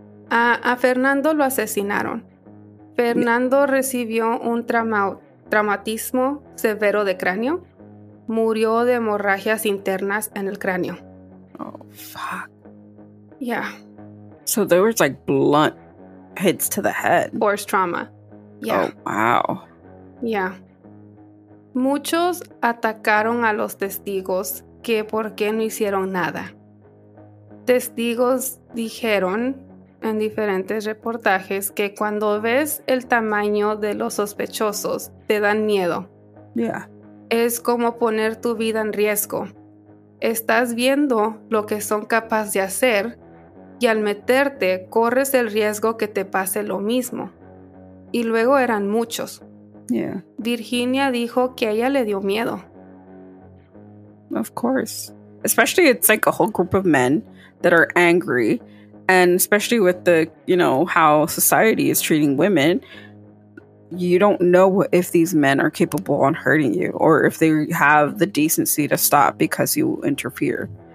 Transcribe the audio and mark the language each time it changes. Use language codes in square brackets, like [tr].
[es] A Fernando lo asesinaron. Fernando recibió un traumatismo severo de cráneo. Murió de hemorragias internas en el cráneo. [en] Oh, fuck. Yeah. So there was, like, blunt hits to the head. Force trauma. Yeah. Oh, wow. Yeah. [es] Muchos atacaron a los testigos que por qué no hicieron nada. Testigos dijeron en diferentes reportajes que cuando ves el tamaño de los sospechosos, te dan miedo. [en] Yeah. [es] Es como poner tu vida en riesgo. Estás viendo lo que son capaces de hacer y al meterte corres el riesgo que te pase lo mismo. Y luego eran muchos. [en] Yeah. [es] Virginia dijo que a ella le dio miedo. [en] Of course. Especially it's like a whole group of men that are angry, and especially with the, you know, how society is treating women. You don't know if these men are capable on hurting you or if they have the decency to stop because you interfere.